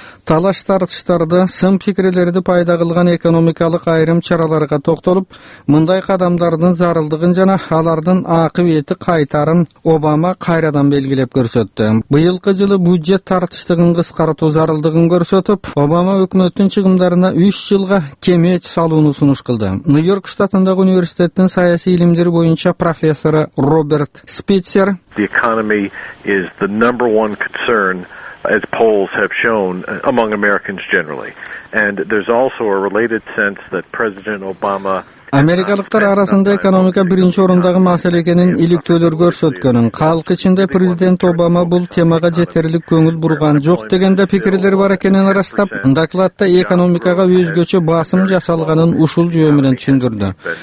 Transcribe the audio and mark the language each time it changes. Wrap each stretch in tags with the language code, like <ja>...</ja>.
<ky>Талаш тартыштарды, сын пикирлерди пайда кылган экономикалык айрым чараларга токтолуп, мындай кадамдардын зарылдыгын жана алардын акыбети кайтарын Обама кайрадан белгилеп көрсөттү. Быйылкы жылы бюджет тартыштыгын кыскартуу зарылдыгын көрсөтүп, Обама өкмөттүн чыгымдарына 3 жылга кемеч салууну сунуш кылды. Нью-Йорк штатындагы университеттин саясий илимдер боюнча профессору Роберт Спицер:</ky> <en>The economy is the number one concern, as polls have shown, among Americans generally. And there's also a related sense that President Obama...</en> <ky>Америкалыктар арасында экономика биринчи орундагы маселе экенин иликтөөлөр көрсөткөнүн, калк ичинде президент Обама бул темага жетерлик көңүл бурган жок деген да пикирлер бар экенин ырастап, докладта экономикага өзгөчө басым жасалганын ушул жөө менен түшүндүрдү.</ky>